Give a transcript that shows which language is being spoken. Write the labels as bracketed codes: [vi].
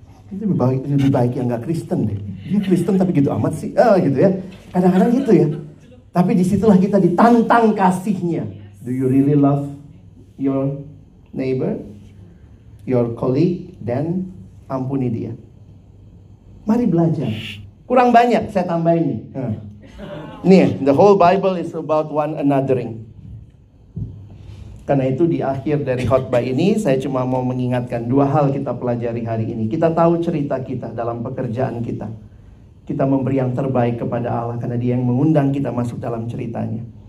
[id] Itu lebih baik yang gak Kristen deh. Dia Kristen tapi gitu amat sih. Gitu ya. Kadang-kadang gitu ya. Tapi disitulah kita ditantang kasihnya. [en] Do you really love your neighbor? Your colleague? [id] Dan ampuni dia. Mari belajar. Kurang banyak saya tambahin nih. [en] Nih, the whole Bible is about one anothering. [id] Karena itu di akhir dari khotbah ini, saya cuma mau mengingatkan dua hal kita pelajari hari ini. Kita tahu cerita kita dalam pekerjaan kita. Kita memberi yang terbaik kepada Allah karena dia yang mengundang kita masuk dalam ceritanya.